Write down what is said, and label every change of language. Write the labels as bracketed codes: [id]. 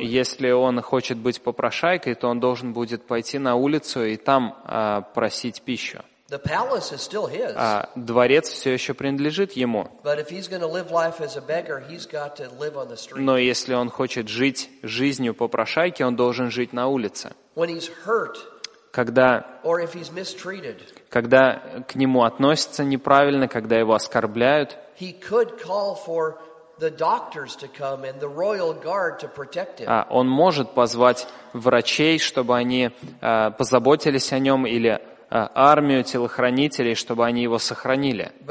[ru] Если он хочет быть попрошайкой, то он должен будет пойти на улицу и там просить пищу. [en] The palace is still his. [ru] А дворец все еще принадлежит ему. [en] But if he's going to live life as a beggar, he's got to live on the street. [ru] Но если он хочет жить жизнью попрошайки, он должен жить на улице. [en] When he's hurt, or if he's mistreated, [ru] когда к нему относятся неправильно, когда его оскорбляют, [en] he could call for the doctors to come and the royal guard to protect him. [ru] А он может позвать врачей, чтобы они позаботились о нем, или армию телохранителей, чтобы они его сохранили.